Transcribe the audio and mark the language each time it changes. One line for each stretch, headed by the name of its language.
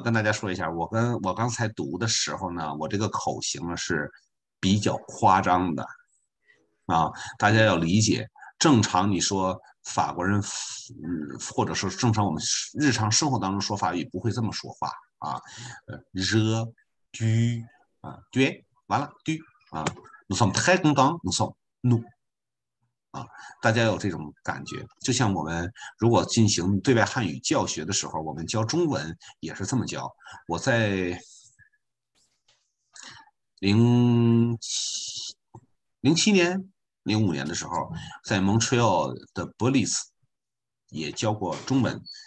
Chinese: 跟大家说一下，我刚才读的时候呢，我这个口型呢是比较夸张的，大家要理解。正常你说法国人，或者说正常我们日常生活当中说法语不会这么说话啊，热，du，啊，du，完了，du，啊。
French: Nous sommes très contents, nous sommes nous。
Chinese: 大家有这种感觉，就像我们如果进行对外汉语教学的时候，我们教中文也是这么教。我在07年、05年的时候，在 Montreal 的 Bullis 也教过中文。